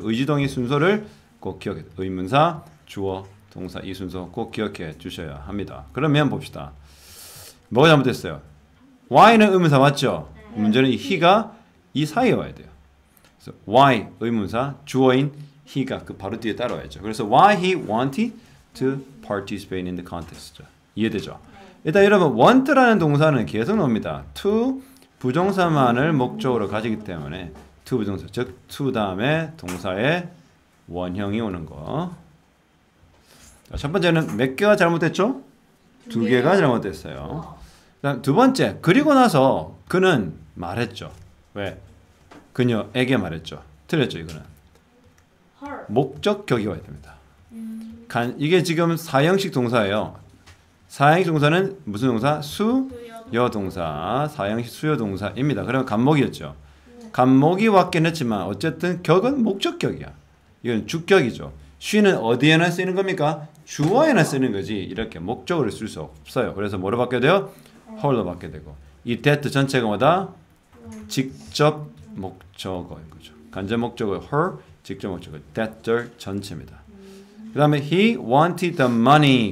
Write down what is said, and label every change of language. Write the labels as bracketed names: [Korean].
[Korean] 의지동의 순서를 꼭 기억해. 의문사, 주어, 동사 이 순서 꼭 기억해 주셔야 합니다. 그러면 봅시다. 뭐가 잘못됐어요? Why는 의문사 맞죠? 문제는 이 he가 이 사이에 와야 돼요. 그래서 why 의문사 주어인 he가 그 바로 뒤에 따라와야죠. 그래서 [English] why he wanted to participate in the contest. [Korean] 이해되죠? 일단 여러분 want라는 동사는 계속 나옵니다. to 부정사만을 목적으로 가지기 때문에 to 부정사 즉 to 다음에 동사의 원형이 오는 거. 자, 첫 번째는 몇 개가 잘못됐죠? 두 개가 잘못됐어요. 그다음 두 번째 그리고 나서 그는 말했죠. 왜? 그녀에게 말했죠. 틀렸죠 이거는. 목적 격이 와야 됩니다. 이게 지금 4형식 동사예요. 4형식 동사는 무슨 동사? 수여동사. 4형식 수여동사입니다. 그러면 간목이었죠. 간목이 왔긴 했지만 어쨌든 격은 목적 격이야. 이건 주격이죠. she는 어디에나 쓰이는 겁니까? 주어에나 쓰이는 거지. 이렇게 목적으로 쓸 수 없어요. 그래서 뭐로 바뀌어야 돼요? her로 바뀌어야 되고 이 that 전체가 뭐다? 직접 목적어인 거죠. 간접 목적어 her 직접 목적어 that들 전체입니다. 그 다음에 [English] he wanted the money.